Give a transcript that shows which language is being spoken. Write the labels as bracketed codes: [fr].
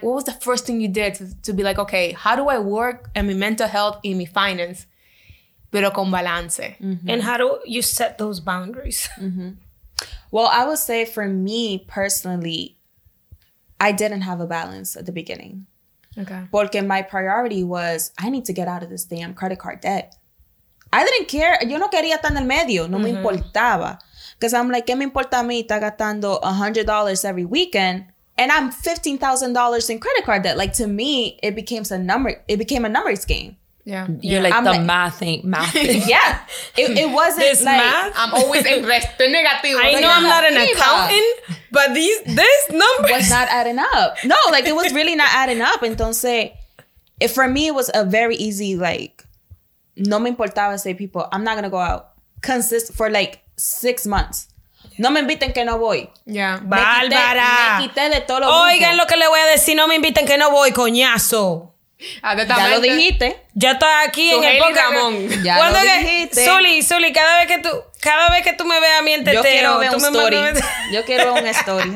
[en] What was the first thing you did to be like, okay, how do I work in my mental health and my finance, [es] pero con balance? [en] Mm-hmm. And how do you set those boundaries? Mm-hmm. Well, I would say for me personally, I didn't have a balance at the beginning. Okay. Porque my priority was, I need to get out of this damn credit card debt. I didn't care. [es] Yo no quería estar en el medio. No me importaba. [en] Because I'm like, [es] ¿qué me importa a mí estar gastando $100 [en] every weekend And I'm $15,000 in credit card debt. Like, to me, it became a number. It became a numbers game. Yeah. You're like, I'm the like, math ain't math. Yeah. It wasn't this like math? I'm always investing negative. I know I'm not an accountant, but this number was not adding up. No, like, it was really not adding up. Entonces, it, for me, it was a very easy, like, [es] no me importaba [en] say people, I'm not gonna go out consist for like 6 months. [es] No me inviten que no voy. [en] Yeah. [es] Bárbara. Me quité de todo lo mundo. Oigan lo que le voy a decir. No me inviten que no voy, coñazo. Ya lo dijiste. Ya estoy aquí tu en el podcast. Ya lo dijiste. Zuli, cada vez que tú me veas a mí en TT. Yo quiero ver un story. Yo quiero ver un story,